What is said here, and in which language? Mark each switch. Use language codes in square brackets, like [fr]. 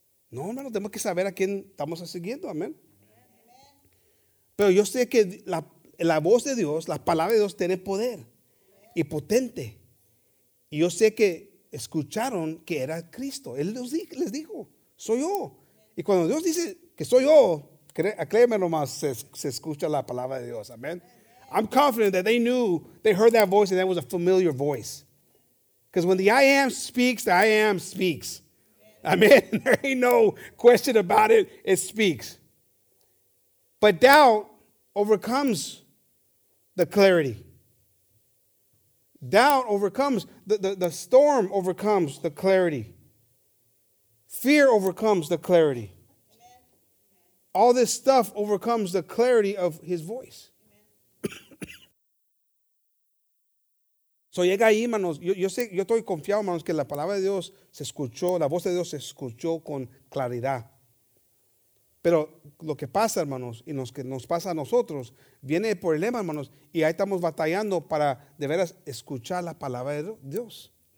[es] No, hermano, tenemos que saber a quién estamos siguiendo, amén. Pero yo sé que la voz de Dios, la palabra de Dios tiene poder y potente. Y yo sé que escucharon que era Cristo. Él les dijo, soy yo. Y cuando Dios dice que soy yo, créeme nomás, se escucha la palabra de Dios. Amen. [en] I'm confident that they knew, they heard that voice and that was a familiar voice. Because when the I am speaks, the I am speaks. Amen. There ain't no question about it. It speaks. But doubt overcomes the clarity. Doubt overcomes, the storm overcomes the clarity. Fear overcomes the clarity. Amen. All this stuff overcomes the clarity of his voice. [es] So llega ahí, hermanos. Yo sé, yo estoy confiado, hermanos, que la palabra de Dios se escuchó, la voz de Dios se escuchó con claridad. Pero lo que pasa, hermanos, y lo que nos pasa a nosotros, viene el problema, hermanos, y ahí estamos batallando para de veras escuchar la palabra de Dios.